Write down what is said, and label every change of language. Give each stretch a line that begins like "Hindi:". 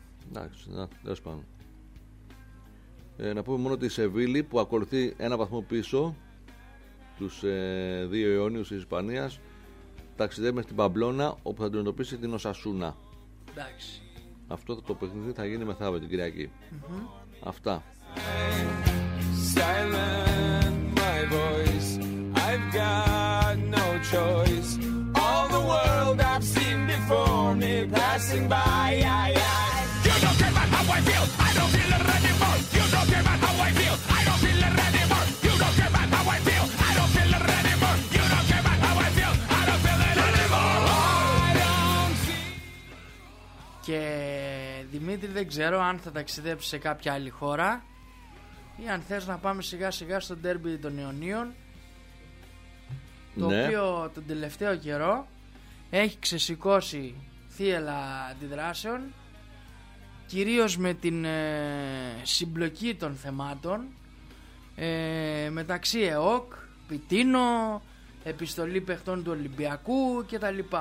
Greek: Εντάξει, να, τέλος πάντων. Να πούμε μόνο τη Σεβίλη που ακολουθεί ένα βαθμό πίσω τους δύο Ιόνιους της Ισπανίας. Ταξιδεύει μέχρι την Παμπλώνα όπου θα την εντοπίσει την Οσασούνα. Εντάξει. Αυτό το παιχνίδι θα γίνει μεθαύριο την Κυριακή. Mm-hmm. Αυτά.
English: Silent my voice, I've got no choice. All the world I've seen before me passing by. You don't care about how I feel, I don't feel ready for. You don't care about how I feel, I don't feel ready for. You don't care about how I feel, I don't feel ready for. You don't care about how I feel, I don't feel ready for. I don't see.
Greek: Και Δημήτρη, δεν ξέρω αν θα ταξιδέψει σε κάποια άλλη χώρα ή αν θες να πάμε σιγά σιγά στο ντέρμπι των Ιωνίων, το ναι. οποίο τον τελευταίο καιρό έχει ξεσηκώσει θύελλα αντιδράσεων, κυρίως με την συμπλοκή των θεμάτων μεταξύ ΕΟΚ, Πιτίνο, επιστολή παιχτών του Ολυμπιακού κτλ.